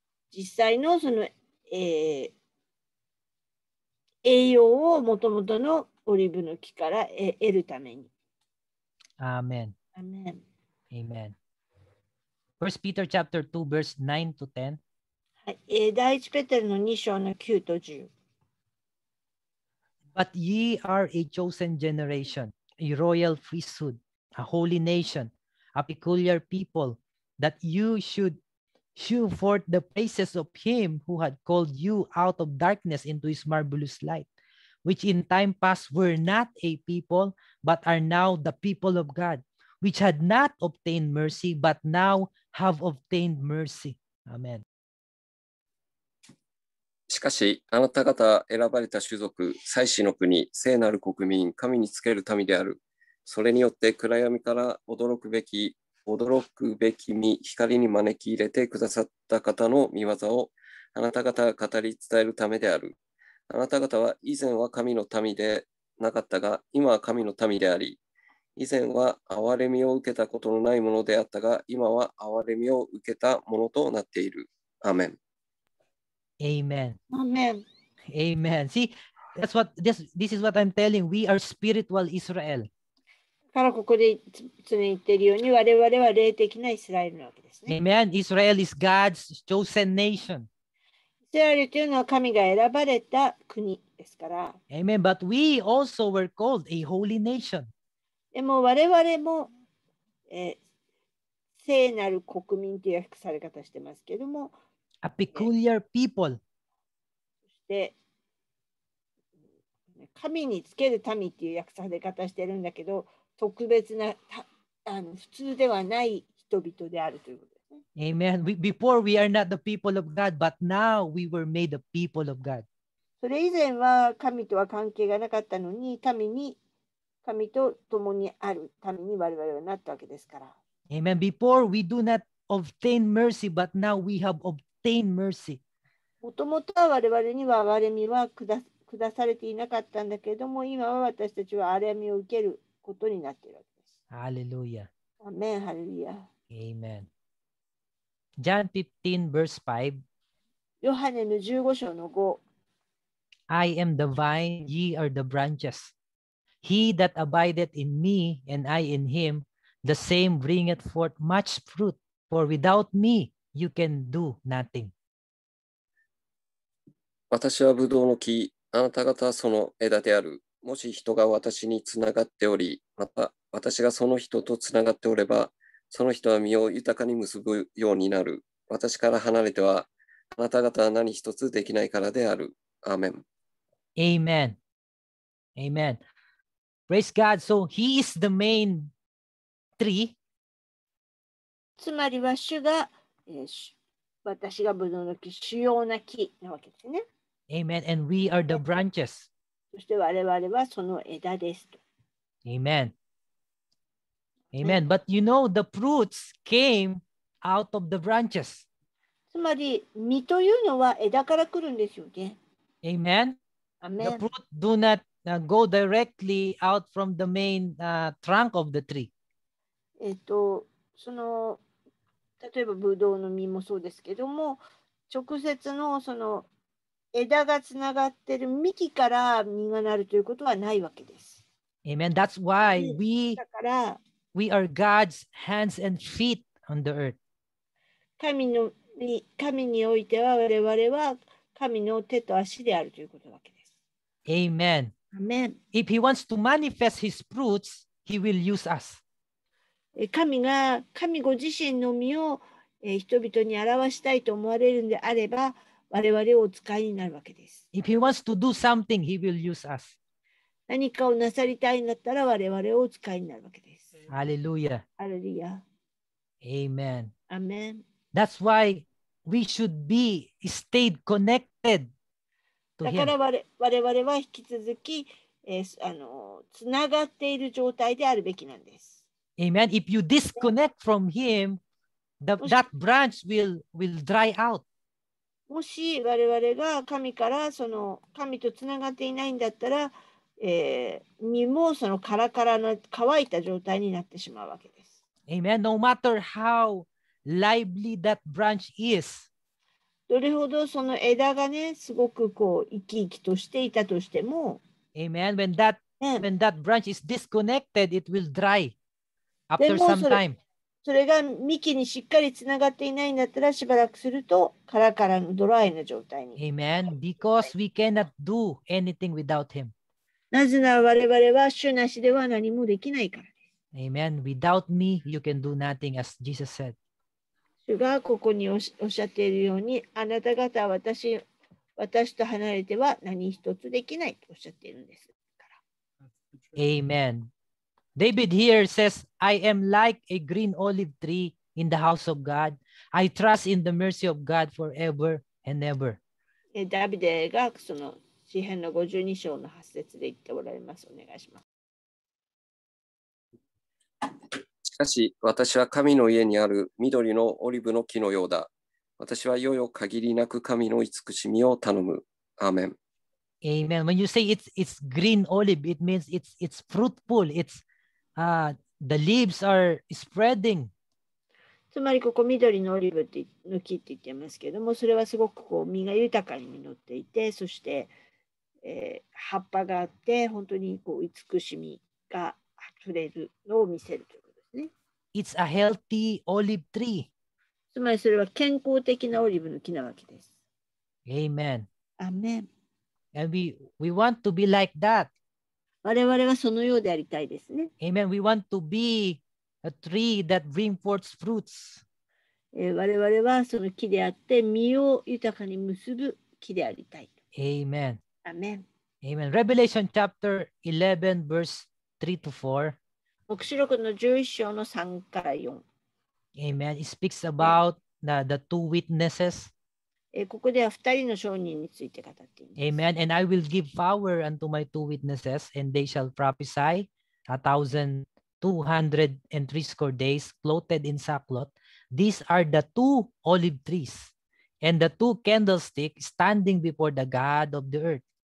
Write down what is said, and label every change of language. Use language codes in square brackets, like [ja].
[ja] 実際のその栄養をもともとのオリーブの木から得るために。アーメン。アーメン。 [en] アーメン。First Peter chapter 2, verse 9 to 10. [ja] はい、第一ペテロの2章の9と10。 [en] But ye are a chosen generation, a royal priesthood, a holy nation, a peculiar people, that you should shew forth the praises of him who had called you out of darkness into his marvelous light, which in time past were not a people, but are now the people of God, which had not obtained mercy, but now have obtained mercy. Amen. [ja] しかし、あなた方選ばれた種族、祭司の国、聖なる国民、神につける民である。それによって暗闇から驚くべき光に招き入れてくださった方の御業をあなた方が語り伝えるためである。あなた方は以前は神の民でなかったが、今は神の民であり、以前は憐れみを受けたことのないものであったが、今は憐れみを受けたものとなっている。アーメン。アーメン。アーメン。アーメン。 [en] See, that's what this is what I'm telling. We are spiritual Israel. [ja] からここで常に言っているように、我々は霊的なイスラエルなわけですね。 [en] Amen. Israel is God's chosen nation. [ja] イスラエルというのは神が選ばれた国ですから。 [en] Amen. But we also were called a holy nation. [ja] でも我々も、聖なる国民という訳され方してますけども。 [en] A peculiar people. [ja] そして、神につける民という訳され方してるんだけど、特別な普通ではない人々であるということですね。 [en] Amen. Before we are not the people of God, but now we were made the people of God. [ja] それ以前は神とは関係がなかったのに、神と共にあるために我々はなったわけですから。 [en] Amen. Before we do not obtain mercy, but now we have obtained mercy. [ja] もともとは我々には憐れみは下されていなかったんだけども、今は私たちは憐れみを受ける。ことになっているわけです。ハレルヤ。アメン、ハレルヤ。アメン。ジャン15 verse 5。ヨハネの15章の5。 [en] I am the vine, ye are the branches. He that abideth in me and I in him, the same bringeth forth much fruit, for without me you can do nothing. [ja] 私はブドウの木、あなた方はその枝である。もし人が私につながっており、また私がその人とつながっておれば、その人は身を豊かに結ぶようになる。私から離れてはあなた方は何一つできないからである。アーメン。アーメン。アーメン。 [en] Praise God. So he is the main tree. [ja] つまりは主が、私がブドウの木、主要な木なわけですね。 [en] アーメン。And we are the branches. [ja] そして我々はその枝ですと。 [en] Amen. Amen. But you know, the fruits came out of the branches. [ja] つまり、実というのは枝から来るんですよね。 [en] Amen. Amen. The fruit do not go directly out from the main trunk of the tree. [ja] その、例えばブドウの実もそうですけども、直接のその、枝がつながっている幹から実がなるということはないわけです。 [en] Amen. That's why we are God's hands and feet on the earth. [ja] 神においては我々は神の手と足であるということわけです。 [en] Amen. Amen. If he wants to manifest his fruits, he will use us. [ja] 神ご自身の実を人々に表したいと思われるのであれば、我々をお使いになるわけです。 [en] If he wants to do something, he will use us. [ja] 何かをなさりたいんだったら我々をお使いになるわけです。 [en] Hallelujah. Hallelujah. Amen. Amen. That's why we should be stayed connected to him. [ja] だから我々は引き続き、つながっている状態であるべきなんです。 [en] Amen. If you disconnect from him, that branch will dry out. [ja] もし我々が神からその神とつながっていないんだったら、身もそのカラカラな乾いた状態になってしまうわけです。 [en] Amen. No matter how lively that branch is. [ja] どれほどその枝がね、すごくこう生き生きとしていたとしても。 [en] Amen. When that when that branch is disconnected, it will dry after some time. [ja] それが幹にしっかりつながっていないんだったらしばらくするとカラカラのドライな状態に。 [en] Amen. Because we cannot do anything without him. [ja] なぜなら我々は主なしでは何もできないからです。 [en] Amen. Without me, you can do nothing, as Jesus said. [ja] 主がここにおっしゃっているように、あなた方は私と離れては何一つできないとおっしゃっているんですから。 [en] Amen. David here says, I am like a green olive tree in the house of God. I trust in the mercy of God forever and ever. [ja] ダビデがその詩編の52章の8節で言っておられます。お願いします。しかし、私は神の家にある緑のオリブの木のようだ。私はよよ限りなく神の慈しみを頼む。アーメン。 [en] Amen. When you say it's green olive, it means it's fruitful. It'sthe leaves are spreading. [ja] つまりここ緑のオリーブの木って言ってますけども、それはすごくこう実が豊かに実っていて、そして、葉っぱがあって本当にこう慈しみが溢れるのを見せるということですね。 [en] It's a healthy olive tree. [ja] つまりそれは健康的なオリーブの木なわけです。 [en] Amen. Amen. And we want to be like that. [ja] 我々はそのようでありたいですね。 [en] Amen. We want to be a tree that brings forth fruits. [ja] 我々はその木であって実を豊かに結ぶ木でありたい。 [en] Amen. Amen. Amen. Revelation chapter 11 verse 3 to 4. [ja] 黙示録の11章の3から4。 [en] Amen. It speaks about the two witnesses. [ja] ここでは二人の証人について語っています。 [en] Amen. And I will give power unto my two witnesses, and they shall prophesy 1,260 days, clothed in sackcloth. These are the two olive trees, and the two candlesticks standing before the God of the earth.